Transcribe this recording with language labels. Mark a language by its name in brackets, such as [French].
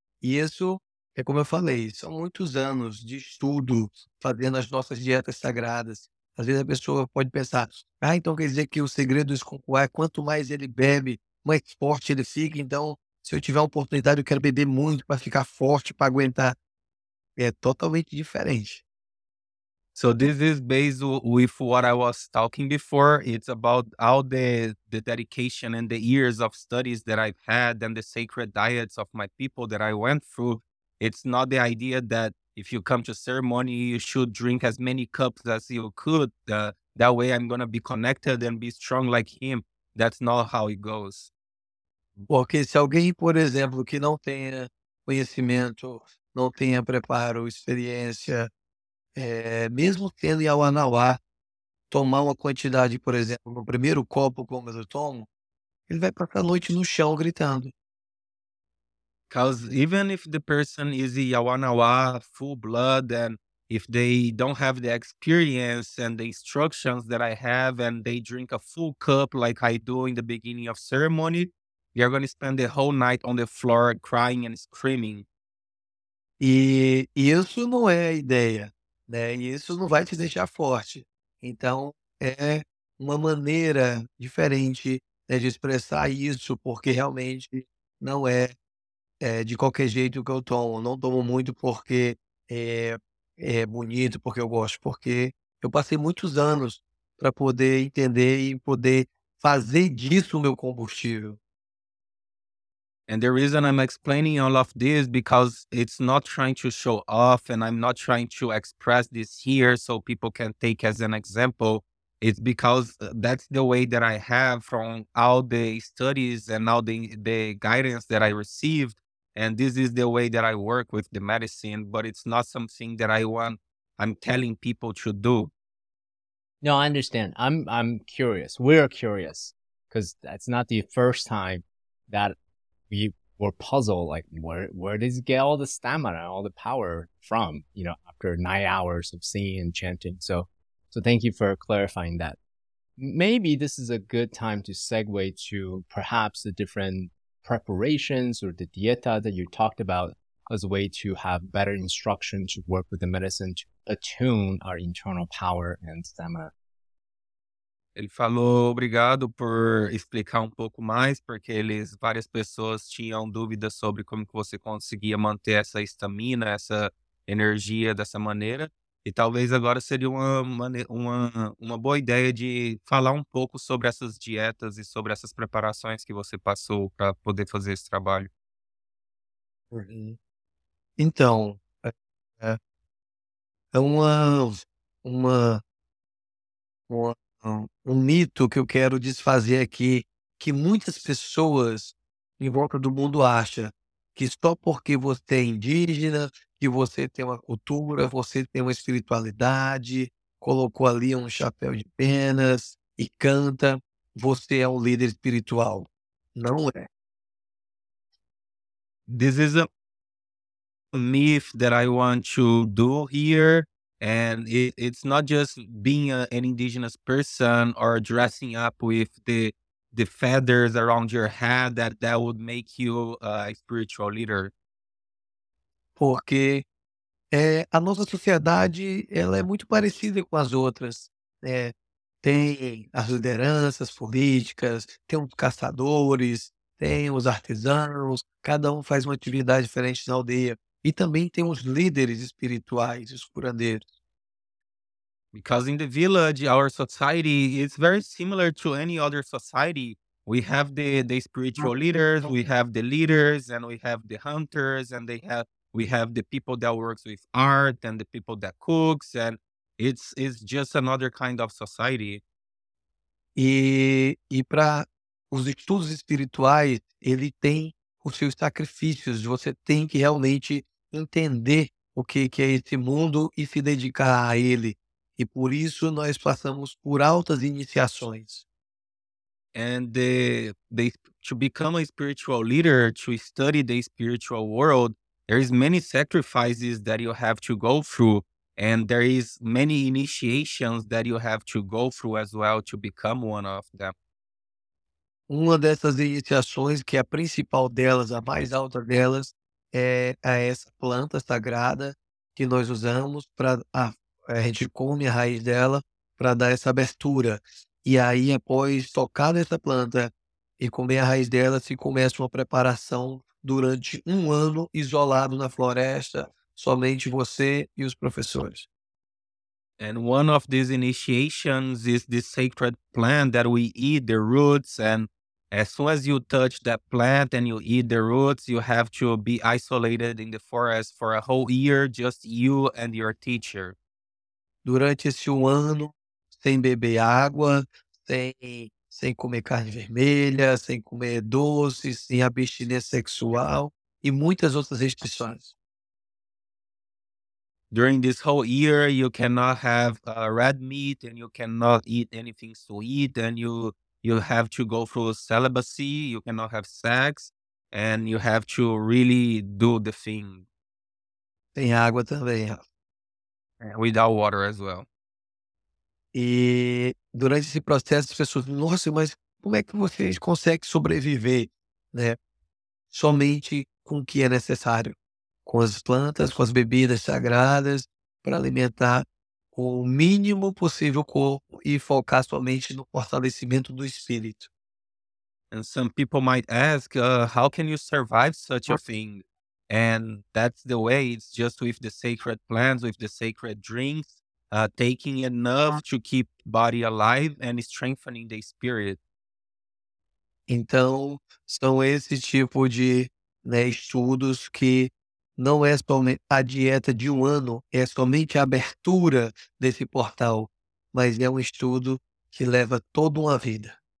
[Portuguese] Isso é como eu falei, são muitos anos de estudo fazendo as nossas dietas sagradas. Às vezes a pessoa pode pensar, então quer dizer que o segredo do Iskukua é quanto mais ele bebe, mais forte ele fica, então... Se eu tiver a oportunidade, eu quero beber muito para ficar forte, para aguentar. É totalmente diferente. [English] So this is based with what I was talking before. It's about all the dedication and the years of studies that I've had and the sacred diets of my people that I went through. It's not the idea that if you come to ceremony, you should drink as many cups as you could. That way I'm going to be connected and be strong like him. That's not how it goes. [Portuguese] Porque se alguém, por exemplo, que não tenha conhecimento, não tenha preparo, experiência, mesmo tendo Yawanawa, tomar uma quantidade, por exemplo, no primeiro copo como eu tomo, ele vai passar a noite no chão gritando. [English] Because even if the person is Yawanawa, full blood, and if they don't have the experience and the instructions that I have, and they drink a full cup like I do in the beginning of ceremony, you're going to spend the whole night on the floor crying and screaming. [Portuguese] E isso não é a ideia, né? E isso não vai te deixar forte. Então, é uma maneira diferente, né, de expressar isso, porque realmente não é, de qualquer jeito que eu tomo. Não tomo muito porque é bonito, porque eu gosto, porque eu passei muitos anos para poder entender e poder fazer disso o meu combustível. [English] And the reason I'm explaining all of this, because it's not trying to show off and I'm not trying to express this here so people can take as an example. It's because that's the way that I have from all the studies and all the guidance that I received. And this is the way that I work with the medicine, but it's not something that I'm telling people to do. No, I understand. I'm curious. We're curious because that's not the first time that we were puzzled, like, where does he get all the stamina, all the power from, you know, after 9 hours of singing and chanting. So thank you for clarifying that. Maybe this is a good time to segue to perhaps the different preparations or the dieta that you talked about as a way to have better instruction to work with the medicine to attune our internal power and stamina. [Portuguese] Ele falou obrigado por explicar um pouco mais, porque várias pessoas tinham dúvidas sobre como que você conseguia manter essa estamina, essa energia dessa maneira. E talvez agora seria uma boa ideia de falar um pouco sobre essas dietas e sobre essas preparações que você passou para poder fazer esse trabalho. Então, é uma um mito que eu quero desfazer aqui, que muitas pessoas em volta do mundo acham que só porque você é indígena, que você tem uma cultura, você tem uma espiritualidade, colocou ali um chapéu de penas e canta, você é um líder espiritual. Não é. [English] This is a myth that I want to do here. And it's not just being an indigenous person or dressing up with the feathers around your head that would make you a spiritual leader. [Portuguese] Porque a nossa sociedade, ela é muito parecida com as outras. É, tem as lideranças políticas, tem os caçadores, tem os artesãos, cada um faz uma atividade diferente na aldeia. E também tem os líderes espirituais, os curandeiros. [English] Because in the village, our society is very similar to any other society. We have the spiritual leaders, we have the leaders, and we have the hunters, and we have the people that works with art, and the people that cooks, and it's just another kind of society. [Portuguese] E para os estudos espirituais, ele tem os seus sacrifícios. Você tem que realmente entender o que é esse mundo e se dedicar a ele. E por isso nós passamos por altas iniciações. [English] And to become a spiritual leader, to study the spiritual world, there is many sacrifices that you have to go through, and there is many initiations that you have to go through as well to become one of them. [Portuguese] Uma dessas iniciações, que é a principal delas, a mais alta delas, é a essa planta sagrada que nós usamos para a gente come a raiz dela para dar essa abertura. E aí, após tocar nessa planta e comer a raiz dela, se começa uma preparação durante um ano isolado na floresta, somente você e os professores. [English] And one of these initiations is this sacred plant that we eat the roots. And as soon as you touch that plant and you eat the roots, you have to be isolated in the forest for a whole year, just you and your teacher. [Portuguese] Durante esse um ano, sem beber água, sem comer carne vermelha, sem comer doces, sem abstinência sexual e muitas outras restrições. [English] During this whole year, you cannot have red meat and you cannot eat anything sweet, and you have to go through celibacy, you cannot have sex, and you have to really do the thing. [Portuguese] Tem água também, ó. [English] Without water as well. [Portuguese] E durante esse processo, as pessoas dizem, nossa, mas como é que vocês conseguem sobreviver, né? Somente com o que é necessário, com as plantas, com as bebidas sagradas, para alimentar o mínimo possível corpo e focar somente no fortalecimento do espírito. [English] And some people might ask, how can you survive such a thing? And that's the way, it's just with the sacred plants, with the sacred drinks, taking enough to keep body alive and strengthening the spirit. [Portuguese] Então, são esse tipo de, né, estudos que não é somente a dieta de um ano, é somente a abertura desse portal, mas é um estudo que leva toda uma vida.